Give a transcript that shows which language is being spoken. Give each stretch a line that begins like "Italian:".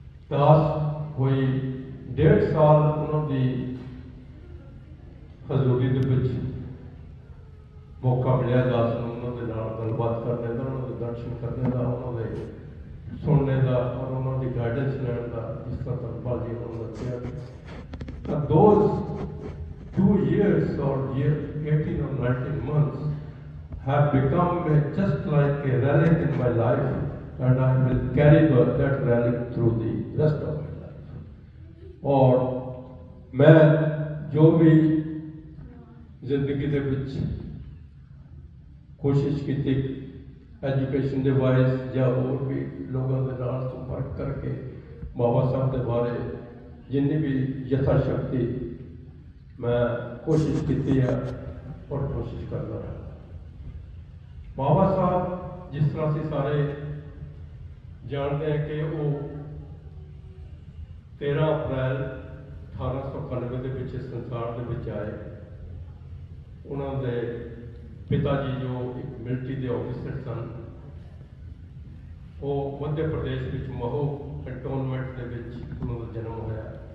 Punjabi: ਦਸ ਹੋਈ 1.5 ਸਾਲ ਉਹਨਾਂ ਦੀ ਹਜ਼ੂਰੀ ਦੇ ਵਿੱਚ ਮੌਕਾ ਮਿਲਿਆ ਦਸ ਨੂੰ ਉਹਨਾਂ ਦੇ ਨਾਲ ਗੱਲਬਾਤ ਕਰਨੇ ਦਾ, ਉਹਨਾਂ ਦੇ ਦਰਸ਼ਨ ਕਰਨੇ ਦਾ, ਉਹਨਾਂ ਦੇ ਸੁਣਨੇ ਦਾ ਔਰ ਉਹਨਾਂ ਦੀ ਗਾਈਡੈਂਸ ਲੈਣ ਦਾ, ਜਿਸ ਤਰ੍ਹਾਂ ਧਰਮਪਾਲ ਜੀ ਉਹਨਾਂ ਨੂੰ ਦੱਸਿਆ।
English: ਤਾਂ those 2 years or 18 or 19 months have become just like a relic in my life, and I will carry that relic through the rest of my life.
Punjabi: Or main jo bhi zindagi de vich koshish kiti education de wise ya aur bhi logan de naal sampark karke baba sahab de bare jinni bhi yatha shakti ਮੈਂ ਕੋਸ਼ਿਸ਼ ਕੀਤੀ ਹੈ ਔਰ ਕੋਸ਼ਿਸ਼ ਕਰਦਾ ਰਹਾਂ। ਬਾਬਾ ਸਾਹਿਬ ਜਿਸ ਤਰ੍ਹਾਂ ਅਸੀਂ ਸਾਰੇ ਜਾਣਦੇ ਹਾਂ ਕਿ ਉਹ 13 ਅਪ੍ਰੈਲ 1898 ਦੇ ਵਿੱਚ ਸੰਸਾਰ ਦੇ ਵਿੱਚ ਆਏ। ਉਹਨਾਂ ਦੇ ਪਿਤਾ ਜੀ ਜੋ ਇੱਕ ਮਿਲਟਰੀ ਦੇ ਆਫਿਸਰ ਸਨ, ਉਹ ਮੱਧ ਪ੍ਰਦੇਸ਼ ਵਿੱਚ ਮਹੋ ਕੰਟੋਨਮੈਂਟ ਦੇ ਵਿੱਚ ਉਹਨਾਂ ਦਾ ਜਨਮ ਹੋਇਆ।